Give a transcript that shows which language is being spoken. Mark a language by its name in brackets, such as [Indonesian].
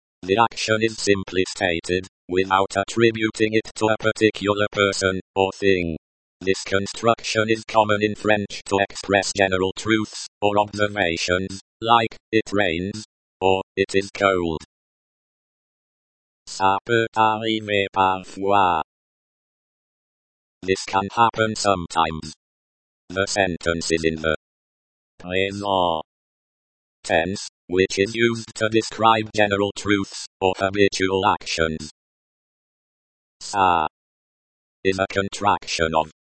[English] The action is simply stated, without attributing it to a particular person or thing. This construction is common in French to express general truths or observations, like, it rains, or, it is cold. [French] Ça peut arriver parfois. [English] This can happen sometimes. The sentence is in the [French] présent [English] tense, which is used to describe general truths or habitual actions. [French] Ça [English] is a contraction of